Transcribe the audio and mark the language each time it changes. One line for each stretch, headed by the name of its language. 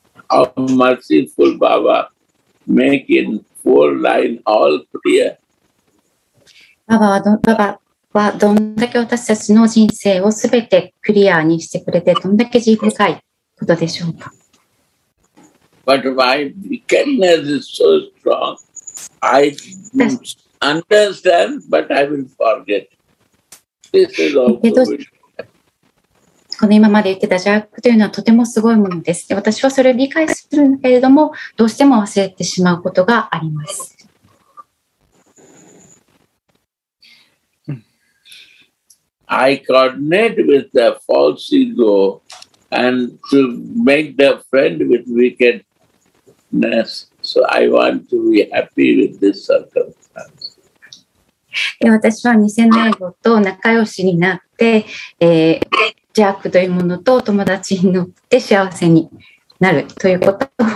English: Our merciful Baba making four lines all clear.
Japanese: Baba はどんだけ私たちの人生をすべてクリアにしてくれて、どんだけ慈悲深いことでしょうか?
English: But my wickedness is so strong. I understand, but I will forget.
Japanese: この今まで言ってた邪悪というのはとてもすごいものです。私はそれを理解するんだけれども、どうしても忘れてしまうことがあります。
English: I connect with the false ego, and to make the friend with wickedness, so I want to be happy with this circumstance.
Japanese: 私は偽のエゴと仲良しになって、邪悪というものと友達になって幸せになるということを。